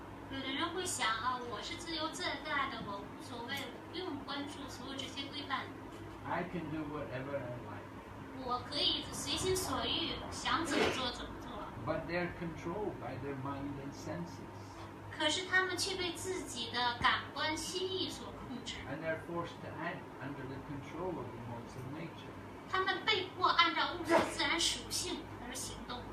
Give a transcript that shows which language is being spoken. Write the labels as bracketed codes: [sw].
[zh] 有的人会想啊，我是自由自在的，我无所谓，不用关注所有这些规范。 [en] I can do whatever I like. [zh] 我可以随心所欲，想怎么做怎么做。 [en] But they're controlled by their mind and senses. [zh] 可是他们却被自己的感官心意所控制。 [en] And they're forced to act under the control of the modes of nature. [zh] 他们被迫按照物质自然属性而行动。